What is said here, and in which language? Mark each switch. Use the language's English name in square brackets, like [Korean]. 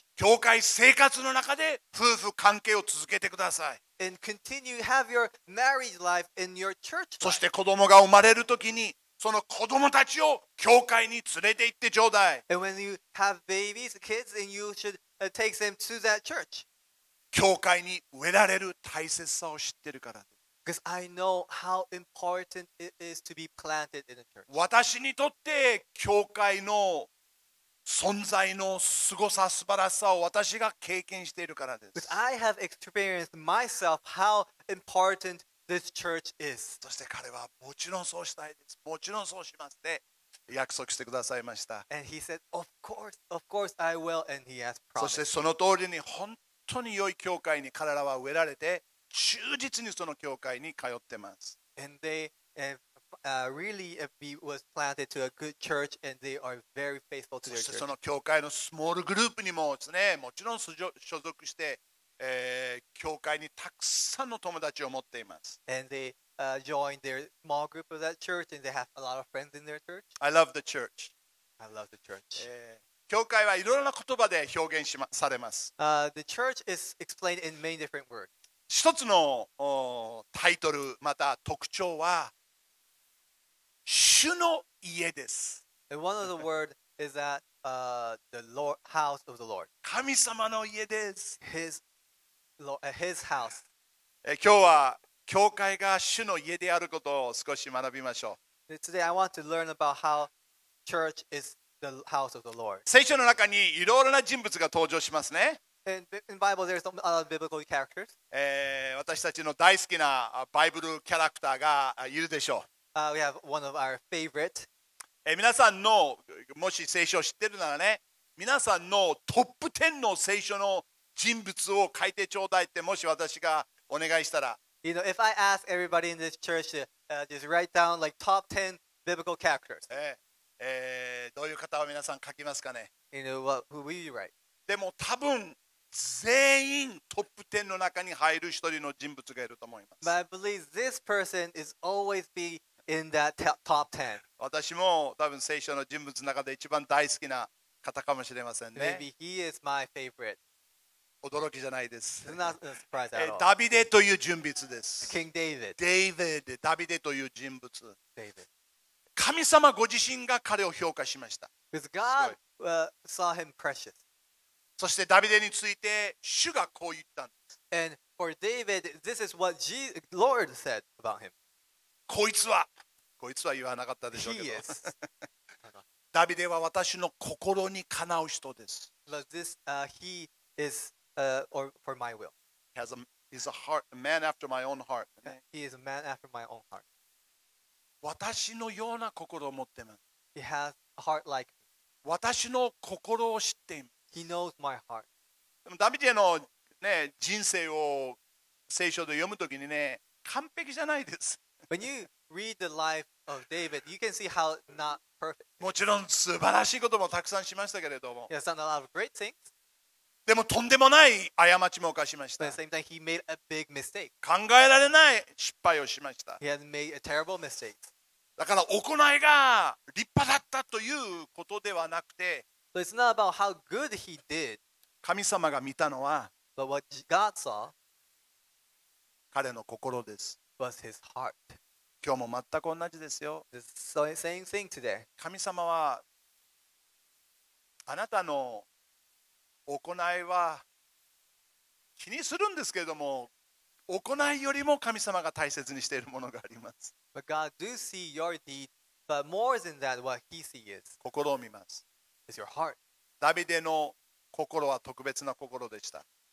[Japanese] 教会生活の中で夫婦関係を続けてください。 [English] And continue have your married life in your church life. [Japanese] そして子供が生まれるときにその子供たちを教会に連れて行ってちょうだい。 [English] And when you have babies, kids, and you should take them to that church. [Japanese] 教会に植えられる大切さを知ってるから。 [English] Because I know how important it is to be planted in a church. [Japanese] 私にとって教会の存在の凄さ素晴らしさを私が経験しているからです。 [English] I have experienced myself how important this church is. [Japanese] そして彼はもちろんそうしたいです。もちろんそうしますって約束してくださいました。 [English] And he said, of course I will. And he has promised. [Japanese] そしてその通りに本当に良い教会に彼らは植えられて忠実にその教会に通ってます。 [English] And they really was planted to a good church and they are very faithful to their church. [Japanese] その教会のスモールグループにもですね、もちろん所属して、教会にたくさんの友達を持っています。 [English] And they join their small group of that church and they have a lot of friends in their church. I love the church. I love the church. [Japanese] 教会はいろいろな言葉で表現しされます。 [English] The church is explained in many different words. [Japanese] 一つのタイトルまた特徴は主の家です。 [English] And one of the word is that the Lord, house of the Lord. [Japanese] 神様の家です。 [English] His his house. [Japanese] 今日は教会が主の家であることを少し学びましょう。 [English] Today I want to learn about how church is the house of the Lord. [Japanese] 聖書の中にいろいろな人物が登場しますね。 [English] In Bible there's a lot of biblical characters. [Japanese] 私たちの大好きなバイブルキャラクターがいるでしょう。 [English] We have one of our favorite. [Japanese] 皆さんのもし聖書を知ってるならね、皆さんのトップ10の聖書の人物を書いてちょうだいってもし私がお願いしたら。 [English] You know, if I ask everybody in this church to just write down like top 10 biblical characters. [Japanese] どういう方を皆さん書きますかね。 [English] You know, what, who will you write? [Japanese] でも多分全員トップ10の中に入る一人の人物がいると思います。 [English] But I believe this person is always be in that top 10. [Japanese] 私も多分聖書の人物の中で一番大好きな方かもしれませんね。 [English] Maybe he is my favorite. [Japanese] 驚きじゃないです。 [English] Not a surprise at all. [Japanese] ダビデという人物です。 [English] King David. [Japanese] David. ダビデという人物。 [English] David. [Japanese] 神様ご自身が彼を評価しました。 [English] Because God saw him precious. [Japanese] そしてダビデについて主がこう言ったんです。 [English] And for David, this is what Lord said about him. [Japanese] こいつは言わなかったでしょうけど。 [English] He is. [Japanese] ダビデは私の心にかなう人です。 [English] But this, he is. Or for my will. He's a man after my own heart. He is a man after my own heart. [Japanese] 私のような心を持ってます。 [English] He has a heart like me. [Japanese] 私の心を知っています。 [English] He knows my heart. [Japanese] でもダビデの、ね、人生を聖書で読むときにね、完璧じゃないです。 [English] When you read the life of David, you can see how not perfect. [Japanese] もちろん素晴らしいこともたくさんしましたけれども。 [English] He has done a lot of great things. [Japanese] でもとんでもない過ちも犯しました。 [English] But at the same time, he made a big mistake. [Japanese] 考えられない失敗をしました。 [English] He had made a terrible mistake. [Japanese] だから行いが立派だったということではなくて、 [English] So it's not about how good he did. [Japanese] 神様が見たのは、 [English] But what God saw, [Japanese] 彼の心です。 [English] Was his heart. [Japanese] 今日も全く同じですよ。 [English] It's the same thing today. [Japanese] 神様は、あなたの行いは気にするんですけれども、行いよりも神様が大切にしているものがあります。 [English] But God do see your deed, but more than that, what He sees is [Japanese] 心を見ます。 [English] Is your heart. [Japanese] ダビデの心は特別な心でした。